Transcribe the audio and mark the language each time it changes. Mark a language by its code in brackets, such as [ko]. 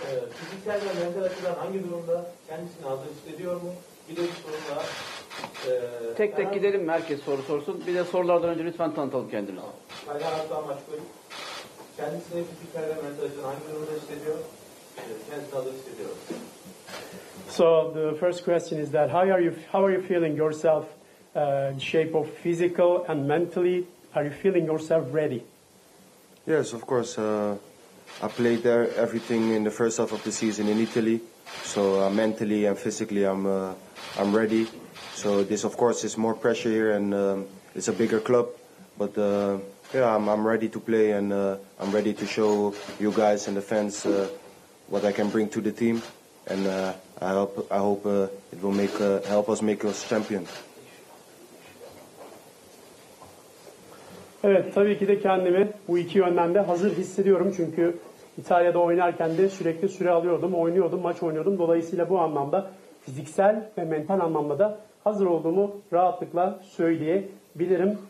[tr] Fiziksel ve mental açıdan hangi durumda kendisini hazırlık ediyor mu? Bir de bir sorun daha. Tek tek gidelim mi? Herkes soru sorsun. Bir de sorulardan önce lütfen tanıtalım kendini. Kaygan Arslan Başkoy. Kendisini fiziksel ve mental açıdan hangi durumda hissediyor? Kendisini hazırlık ediyor. [en] So the first question is that how are you feeling yourself in shape of physical and mentally? Are you feeling yourself ready? Yes, of course. I played there everything in the first half of the season in Italy, so mentally and physically I'm ready. So this, of course, is more pressure here, and it's a bigger club. But I'm ready to play, and I'm ready to show you guys and the fans what I can bring to the team, and I hope it will help us make us champion. [tr] Evet, tabii ki de kendimi bu iki yönden de hazır hissediyorum. Çünkü İtalya'da oynarken de sürekli süre alıyordum, oynuyordum, maç oynuyordum. Dolayısıyla bu anlamda fiziksel ve mental anlamda da hazır olduğumu rahatlıkla söyleyebilirim.